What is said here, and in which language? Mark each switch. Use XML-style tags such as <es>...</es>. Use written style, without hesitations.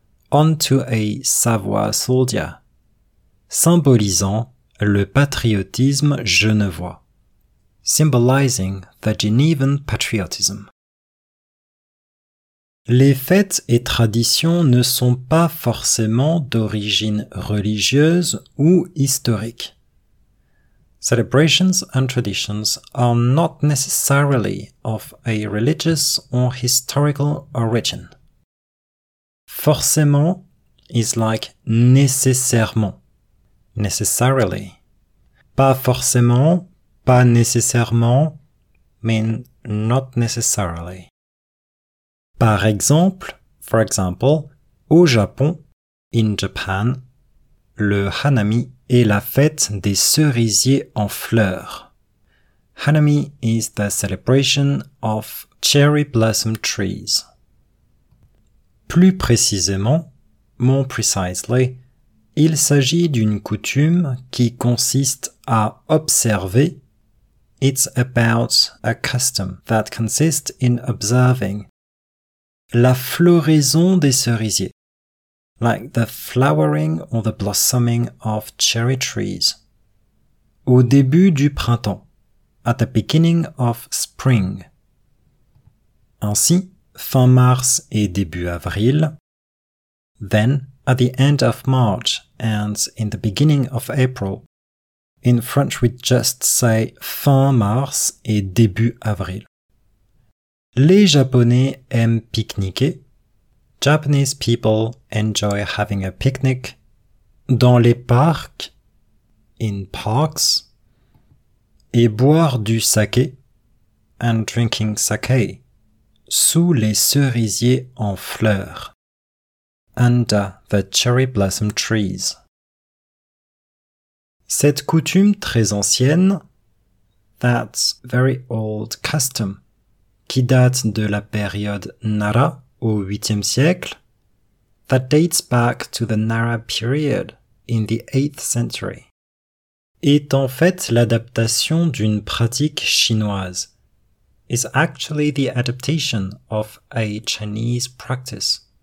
<en>onto a Savoie soldier,</en> <fr>symbolisant le patriotisme genevois,</fr> <en>symbolizing the Genevan patriotism.</en> <fr>Les fêtes et traditions ne sont pas forcément d'origine religieuse ou historique.</fr> <en>Celebrations and traditions are not necessarily of a religious or historical origin. Forcément is like nécessairement. Necessarily.</en> <fr>Pas forcément, pas nécessairement,</fr> <en>mean not necessarily.</en> <fr>Par exemple,</fr> <en>for example,</en> <fr>au Japon,</fr> <en>in Japan,</en> <fr>le hanami est la fête des cerisiers en fleurs.</fr> <en>Hanami is the celebration of cherry blossom trees.</en> <fr>Plus précisément,</fr> <en>more precisely,</en> <fr>il s'agit d'une coutume qui consiste à observer.</fr> <en>It's about a custom that consists in observing.</en> <fr>La floraison des cerisiers,</fr> <en>like the flowering or the blossoming of cherry trees,</en> <fr>au début du printemps,</fr> <en>at the beginning of spring.</en> <fr>Ainsi, fin mars et début avril,</fr> <en>then at the end of March and in the beginning of April, in French we just say</en> <fr>fin mars et début avril. Les Japonais aiment pique-niquer.</fr> <en>Japanese people enjoy having a picnic.</en> <fr>Dans les parcs,</fr> <en>in parks.</en> <fr>Et boire du saké,</fr> <en>and drinking sake,</en> <fr>sous les cerisiers en fleurs.</fr> <en>Under the cherry blossom trees.</en> <fr>Cette coutume très ancienne,</fr> <en>that's very old custom,</en> <fr>qui date de la période Nara au 8e siècle,</fr> <en>that dates back to the Nara period in the 8th century,</en> <fr>est en fait l'adaptation d'une pratique chinoise,</fr> <en>is actually the adaptation of a Chinese practice,</en>